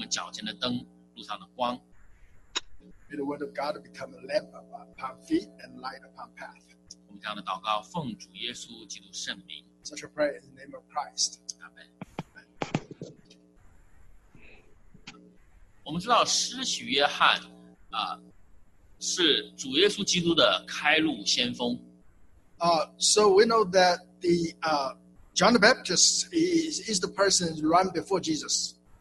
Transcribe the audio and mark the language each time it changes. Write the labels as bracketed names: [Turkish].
[Chinese] 愿神的话语成我们脚前的灯，路上的光。 [English] May the word of God become a lamp upon feet and light upon path. [Chinese] 我们这样的祷告，奉主耶稣基督圣名。 [English] Such a prayer in the name of Christ. Amen. [Chinese] 我们知道施洗约翰 是主耶稣基督的开路先锋。 [English] So we know that the John the Baptist is the person who ran before Jesus.